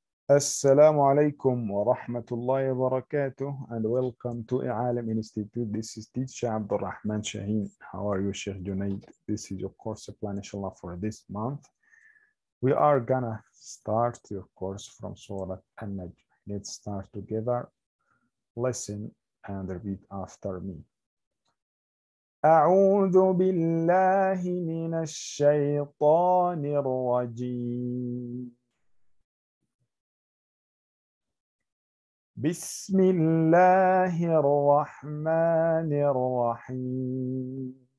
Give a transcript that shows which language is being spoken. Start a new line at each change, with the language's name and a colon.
Arabic: السلام عليكم ورحمة الله وبركاته
English: and welcome to Ealam Institute. This is teacher عبد الرحمن شاهين. How are you, Sheikh Junaid? This is your course plan, inshallah, for this month. We are gonna start your course from Surah An-Najm. Let's start together. Listen and repeat after me.
Arabic: أعوذ بالله من الشيطان الرجيم. بسم الله الرحمن الرحيم.